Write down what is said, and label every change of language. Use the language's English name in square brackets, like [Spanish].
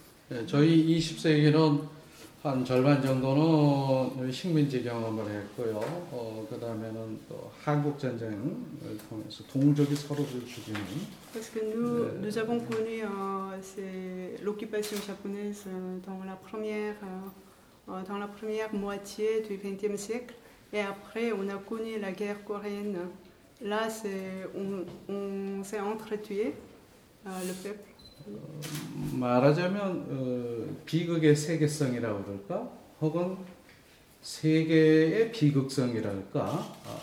[Korean] 네, 저희 20세기는 한 절반 정도는 식민지 경험을 했고요. 그다음에는 또 한국 전쟁을 통해서 동족이 서로를 죽이는. [French] Parce que nous avons connu l'occupation japonaise dans la première moitié du XXe siècle, et après on a connu la guerre coréenne. Là, on s'est entretué le peuple. [Korean] 말하자면 비극의 세계성이라고 그럴까? 혹은 세계의 비극성이랄까?